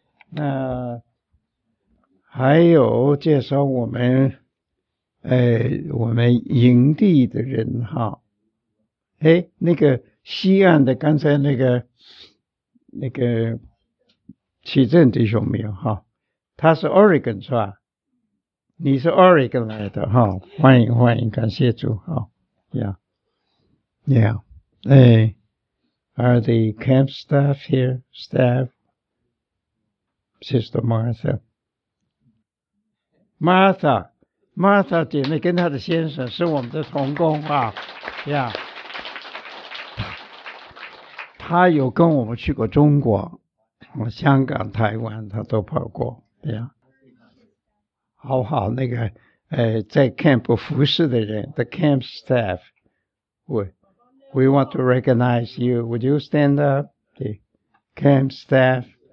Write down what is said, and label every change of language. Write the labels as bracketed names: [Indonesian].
[Chinese] 那还有介绍我们营地的人哈，哎，那个西岸的刚才那个启正弟兄没有哈，他是 Oregon 是吧？你是 Oregon 来的哈，哦，欢迎欢迎，感谢主啊，哦，呀，你好。 [English] Hey, are the camp staff here? Staff? Sister Martha. Martha, [Chinese] Martha 姐妹跟她的先生是我们的同工啊，呀，她有跟我们去过中国、香港、台湾，她都跑过，呀，好好那个，在 camp 服侍的人 ， [English] the camp staff， we want to recognize you. Would you stand up, the camp staff?